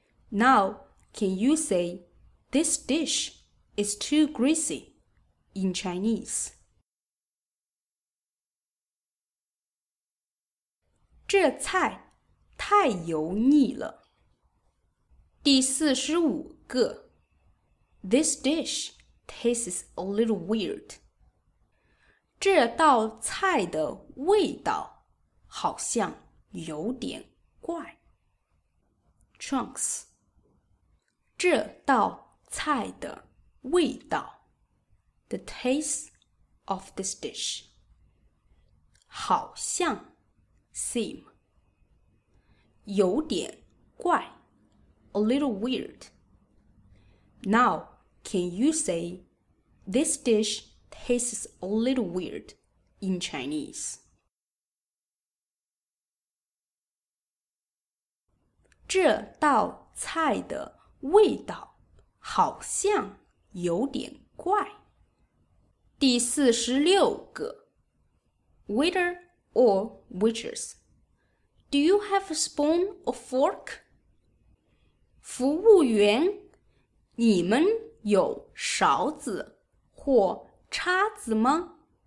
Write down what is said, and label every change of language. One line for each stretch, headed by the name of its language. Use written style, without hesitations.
English: Now, can you say, this dish is too greasy in Chinese?
Chinese: 这菜太油腻了。第四十五个
English: This dish tastes a little weird.
Chinese: 这道菜的味道好像有点怪。
English: Trunks.
Chinese: 这道菜的味道
English: The taste of this dish.
Chinese: 好像
English: Seem.
Chinese: 有点怪
English: A little weird. Now, can you say, this dish tastes a little weird in Chinese?
Chinese: 这道菜的味道好像有点怪。第四十六个
English: Waiter. Or waitress. Do you have a spoon or fork?
Chinese: 服务员，你们有勺子或叉子吗？